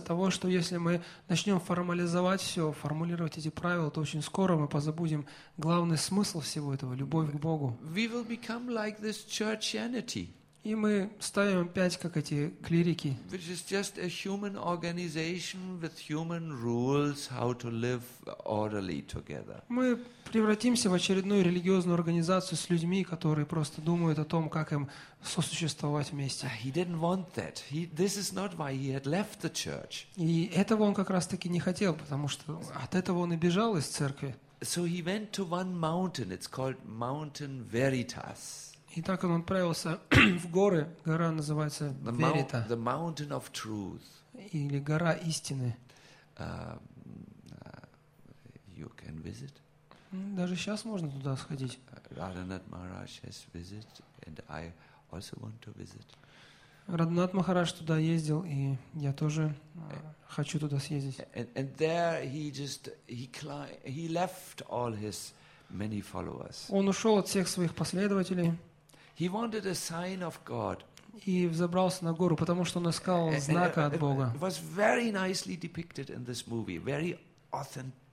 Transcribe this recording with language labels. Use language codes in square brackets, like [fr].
[ru] Того, что если мы начнем формализовать все, формулировать эти правила, то очень скоро мы позабудем главный смысл всего этого — любовь к Богу. [en] We will become like this churchianity. [ru] И мы ставим опять как эти клирики. [en] Which is just a human organization with human rules how to live orderly together. [ru] Мы превратимся в очередную религиозную организацию с людьми, которые просто думают о том, как им сосуществовать вместе. [en] He didn't want that. This is not why he had left the church. [ru] И этого он как раз-таки не хотел, потому что от этого он и бежал из церкви. [en] So he went to one mountain. It's called Mountain Veritas. [ru] И так он отправился в горы, гора называется Верита. [en] The mountain of truth. [ru] Или гора истины. [en] You can visit. [ru] Даже сейчас можно туда сходить. [en] Раданат Махарадж has visited, and I also want to visit. [ru] Раданат Махарадж туда ездил, и я тоже хочу туда съездить. [en] And there he left all his many followers. [ru] Он ушел от всех своих последователей. [en] He wanted a sign of God. [ru] И взобрался на гору, потому что он искал знака от Бога. [en] It was very nicely depicted in this movie. Very authentic.